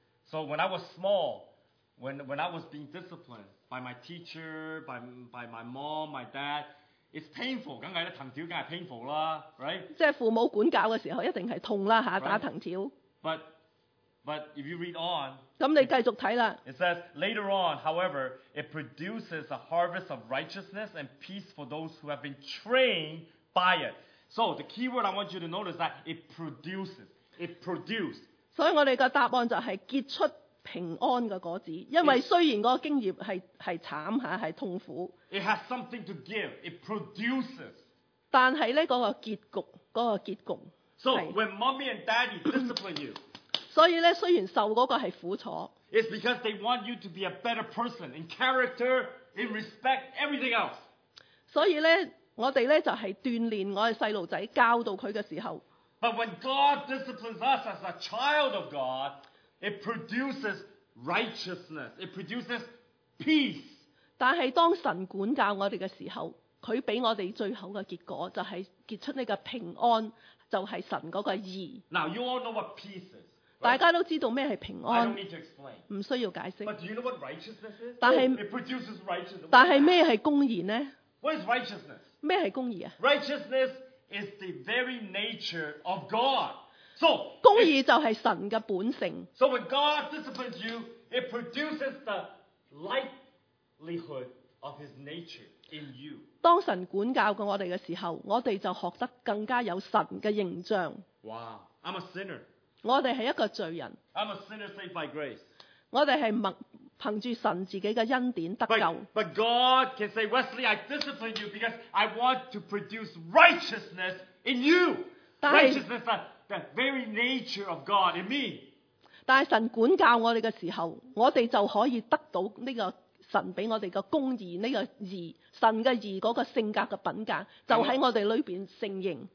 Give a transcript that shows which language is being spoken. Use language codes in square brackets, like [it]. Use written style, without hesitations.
[en] So when I was small, when I was being disciplined by my teacher, by my mom, my dad, it's painful. [yue] 梗係啦，藤條梗係 painful 啦 ，right？即係父母管教嘅時候，一定係痛啦嚇，打藤條。 [en] But if you read on， [yue] 咁你繼續睇啦。 [en] It says later on, however, it produces a harvest of righteousness and peace for those who have been trained by it. So the key word I want you to notice that it produces. It produced. [yue] 所以我哋嘅答案就係結出平安嘅果子，因為雖然個經驗係慘嚇，係痛苦。 [en] It has something to give. It produces. [yue] 但係咧，嗰個結局， [en] So when mommy and daddy discipline you, [yue] 所以咧，雖然受嗰個係苦楚 [en] ，It's because they want you to be a better person in character, in respect, everything else. [yue] 所以咧，我哋咧就係鍛鍊我哋細路仔，教導佢嘅時候。 [en] But when God disciplines us as a child of God, it produces righteousness. It produces peace. [yue] 但係當神管教我哋嘅時候，佢俾我哋最後嘅結果就係結出呢個平安，就係神嗰個義。 [en] Now you all know what peace is.、Right? [yue] 大家都知道咩係平安。 [en] I don't need to explain. [yue] 唔需要解釋。 [en] But do you know what righteousness is? [yue] 但係 [en] it produces righteousness. [yue] 但係咩係公義呢 [en] ？What is righteousness? [yue] 咩係公義啊 [en] ？Righteousness. Is the very nature of God. So, [yue] 公義就係神嘅本性。 [en] So when God disciplines you, it produces the likelihood of His nature in you. [yue] 當神管教過我哋嘅時候，我哋就學得更加有神嘅形象。 [en] Wow, I'm a sinner. [yue] 我哋係一個罪人。 [en] I'm a sinner saved by grace. [yue] 我哋係憑住神自己嘅恩典得救。 [en] But God can say, Wesley, I discipline you because I want to produce righteousness in you. Righteousness that the very nature of God in me. [yue] 但神管教我哋嘅时候，我哋就可以得到呢个神俾我哋嘅公义，呢个义，神嘅义嗰个性格嘅品格，就喺我哋里边承认。